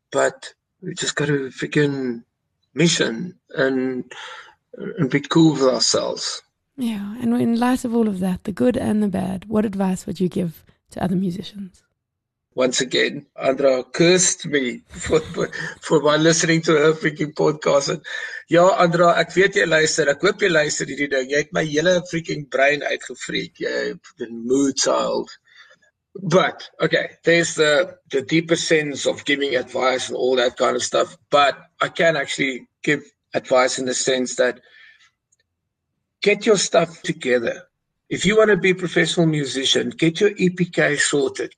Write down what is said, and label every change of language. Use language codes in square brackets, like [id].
[en] But we just got a freaking mission and be cool with ourselves. Yeah, and in light of all of that, the good and the bad, what advice would you give to other musicians? Once again, Andra cursed me for my listening to her freaking podcast. [af] And, ja, Andra, ek weet jy luister, ek hoop jy luister hierdie ding. Jy het my hele freaking brain uitgefreak, jy het [en] been mood child. But, okay, there's the deeper sense of giving advice and all that kind of stuff. But I can actually give advice in the sense that get your stuff together. If you want to be a professional musician, get your EPK sorted.